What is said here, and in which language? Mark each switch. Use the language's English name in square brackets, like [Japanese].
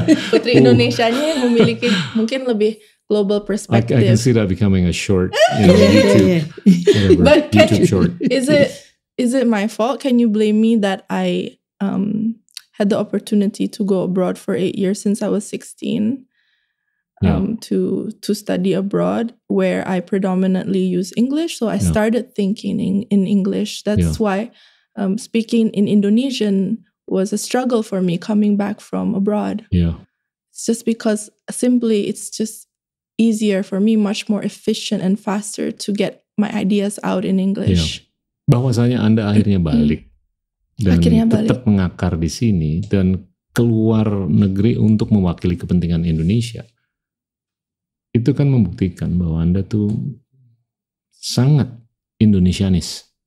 [Indonesian] Putri Indonesianya memiliki mungkin lebih [English] global perspective. I can see that becoming a short, you know, YouTube, YouTube short. Is it my fault? Can you blame me that I had the opportunity to go abroad for 8 years since I was 16 to study abroad where I predominantly use English? So I started thinking in English. That's why speaking in Indonesian was a struggle for me coming back from abroad. Yeah. It's just because simply it's just easier for me, much more efficient and faster to get my ideas out in English. Yeah. [Indonesian] Bahwasanya Anda akhirnya balik. Dan akhirnya balik. Tetap mengakar di sini dan keluar negeri untuk mewakili kepentingan Indonesia. Itu kan membuktikan bahwa Anda tuh sangat Indonesianis.